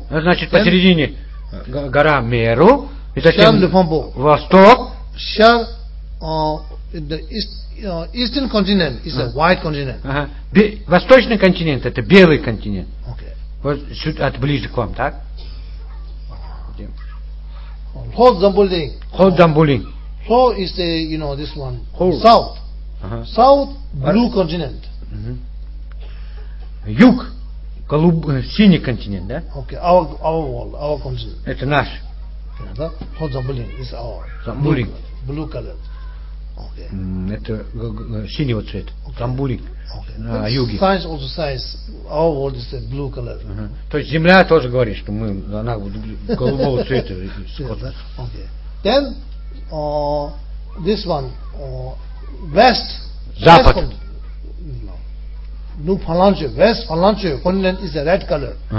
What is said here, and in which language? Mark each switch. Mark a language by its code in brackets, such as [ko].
[ru] Значит, посередине гора Меру. [bo] Шарли Попо. [ru] Восток. [en] Шар, in the eastern continent is a white continent. [ru] Восточный континент это белый континент. Вот сюда, ближе к вам, так? [bo] Ход Замбулинг. Ход Замбулинг. [en] Ho is the, you know, this one. Ho. South. Uh-huh. South, blue what? Continent. [ru] Uh-huh. Юг, синий континент, да? [en] Okay, our world, our continent. [ru] Это наш. [en] Ho Zambulin is our. Zambulin. Blue color. Okay. [ru] Это синего цвета. Okay. Zambulin. Okay. На but юге. [en] Science also says our world is the blue color. Uh-huh. [ru] То есть земля тоже говорит, что мы, она голубого цвета. [en] Okay. Then, this one, west, [ru] запад. [en] New Palantir, west Palantir continent is a red color.